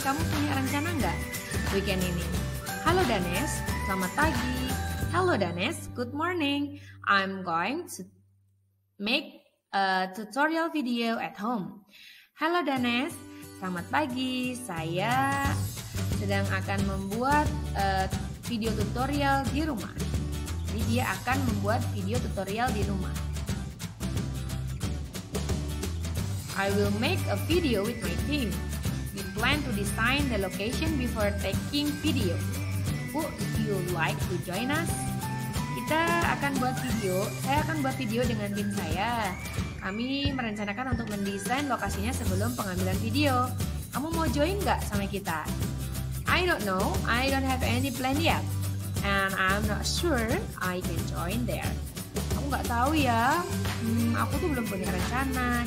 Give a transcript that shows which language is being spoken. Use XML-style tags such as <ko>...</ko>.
<id>Kamu punya rencana nggak weekend ini? Halo, Danes. Selamat pagi.</id> <en>Hello, Danes. Good morning. I'm going to make a tutorial video at home.</en> <id>Hello, Danes. Selamat pagi. Saya sedang akan membuat video tutorial di rumah. Jadi, dia akan membuat video tutorial di rumah.</id> <en>I will make a video with my team. We plan to design the location before taking video. Would you like to join us?</en> <id>Kita akan buat video, saya akan buat video dengan tim saya. Kami merencanakan untuk mendesain lokasinya sebelum pengambilan video. Kamu mau join gak sama kita?</id> <en>I don't know, I don't have any plan yet. And I'm not sure I can join there.</en> <id>Kamu gak tahu ya, aku tuh belum punya rencana.</id>